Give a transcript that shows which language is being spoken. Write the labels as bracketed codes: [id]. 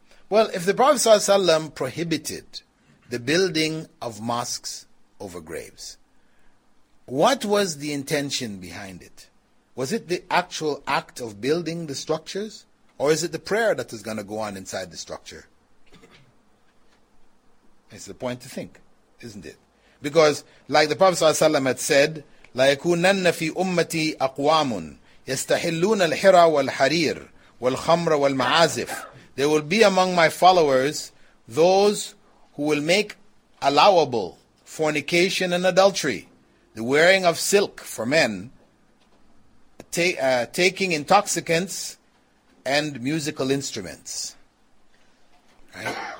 [en] Well, if the Prophet ﷺ prohibited the building of mosques over graves, what was the intention behind it? Was it the actual act of building the structures? Or is it the prayer that is going to go on inside the structure? It's the point to think, isn't it? Because like the Prophet ﷺ had said, [ar] لَيَكُونَنَّ فِي أُمَّتِي أَقْوَامٌ يَسْتَحِلُّونَ الْحِرَى وَالْحَرِيرِ وَالْخَمْرَ وَالْمَعَازِفِ. [en] There will be among my followers those who will make allowable fornication and adultery, the wearing of silk for men, taking intoxicants and musical instruments. Right?